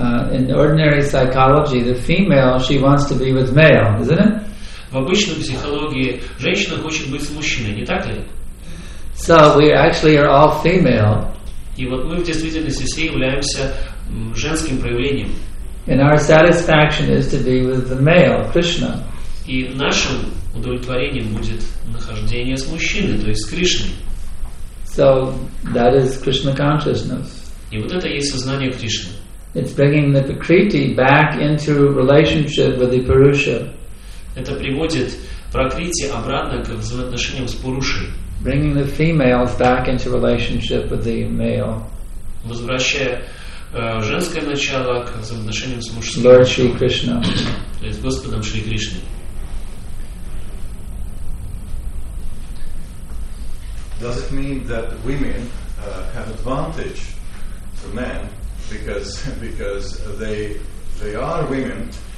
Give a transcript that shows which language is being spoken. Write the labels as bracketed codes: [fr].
[en] In ordinary psychology, the female, she wants to be with male, isn't it? [ru] В обычной психологии женщина хочет быть с мужчиной, не так ли? [en] So we actually are all female. [ru] И вот мы в действительности все являемся женским проявлением. [en] And our satisfaction is to be with the male, Krishna. [ru] И нашим удовлетворением будет нахождение с мужчиной, то есть с Кришной. [en] So that is Krishna consciousness. [ru] И вот это есть сознание Кришны. [en] It's bringing the Prakriti back into relationship with the Purusha. [ru] Это приводит Прокрити обратно к взаимоотношениям с Пурушей. [en] Bringing the females back into relationship with the male. [ru] Возвращая женское начало к взаимоотношениям с мужским. [en] Lord Shri Krishna. [ru] То есть Господом Шри Кришной. [en] Does it mean that women have advantage to men? Because they are women